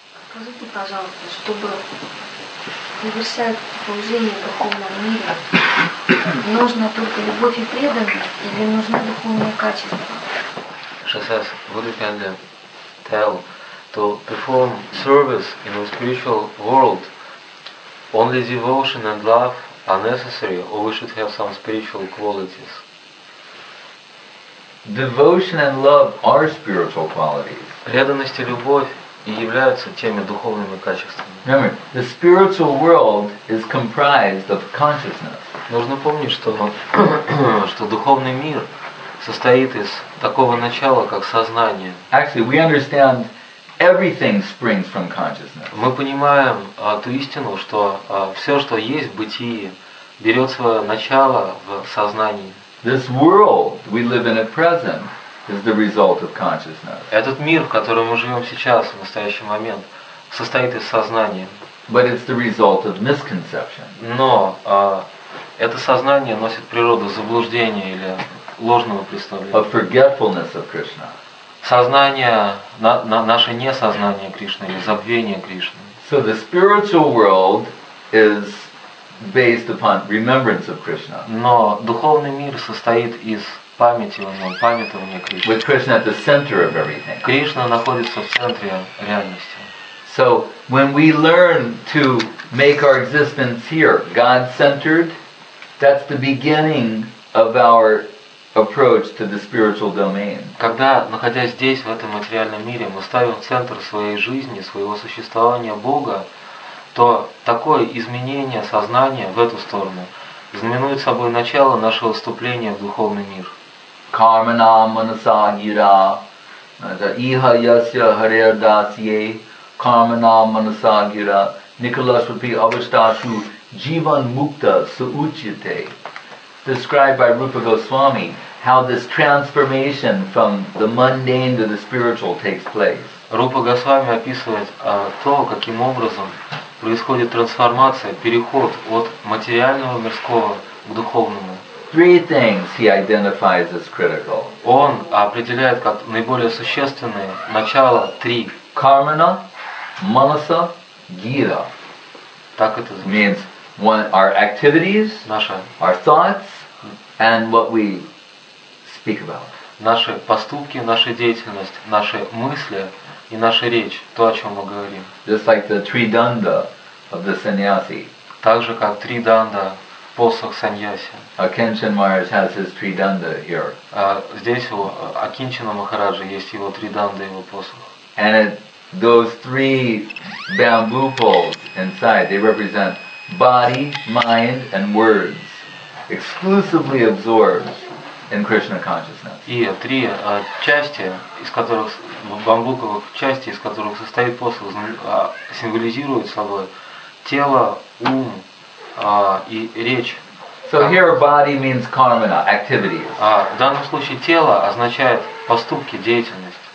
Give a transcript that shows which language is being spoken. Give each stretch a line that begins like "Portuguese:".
Russian: Скажи, пожалуйста, чтобы совершать погружение в духовном мире, нужно только любовь и преданность или нужны духовные качества? Сейчас буду
English: tell to perform service in the spiritual world, only devotion and love are necessary, or we should have some spiritual qualities. Devotion and love are spiritual qualities.
Russian: Преданность и любовь и являются теми духовными качествами.
English: Remember, the spiritual world is comprised of consciousness.
Russian: Нужно помнить, что духовный мир состоит из такого начала, как сознание.
English: Actually, we understand everything springs from consciousness.
Russian: Мы понимаем ту истину, что все, что есть в бытии, берет свое начало в сознании.
English: This world we live in at present is the result of consciousness.
Russian: Этот мир, в котором мы живем сейчас, в настоящий момент, состоит из сознания.
English: But it's the result of misconception.
Russian: Но это сознание носит природу заблуждения или ложного представления.
English: Of forgetfulness of Krishna.
Russian: Сознание, наше несознание Кришны или забвение Кришны.
English: So the spiritual world is based upon remembrance of Krishna.
Russian: Но духовный мир состоит из памятования Кришны.
English: With Krishna at the center of everything.
Russian: Кришна находится в центре реальности.
English: So when we learn to make our existence here God-centered, that's the beginning of our approach to the spiritual domain.
Russian: Когда, находясь здесь, в этом материальном мире, мы ставим центр своей жизни, своего существования Бога, то такое изменение сознания в эту сторону знаменует собой начало нашего вступления в духовный мир.
Sanskrit: Кармана манаса гира, иха яся харир дасье, кармана манаса гира, Николасупи авиштасу дживан мукта саучите.
English: Described by Rupa Goswami, how this transformation from the mundane to the spiritual takes place.
Russian: Rupa Goswami описывает то, каким образом происходит трансформация, переход от материального мирского к духовному.
English: Three things he identifies as critical.
Russian: Он определяет как наиболее существенные начало три.
Sanskrit: Кармана, манаса, гира.
Russian: Так это звучит.
English: Means one, our activities, our thoughts, and what we speak about.
Russian: Наши поступки, наша деятельность, наши мысли и наша речь, то, о чем мы говорим.
English: Just like the tridanda of the sannyasi.
Russian: Так же, как тридандо, посох саньяси.
English: Akinchen Maharaj has his tridanda here.
Russian: Здесь у Акинчена Махараджа есть его тридандо, его посох.
English: And those three bamboo poles inside, they represent body, mind, and words. Exclusively absorbed in Krishna consciousness.
Russian: И три части, из которых бамбуковых части, из которых состоит посох, символизируют собой тело, ум и речь.
English: So here body means karmana, activities.
Russian: В данном случае тело означает поступки, деятельность.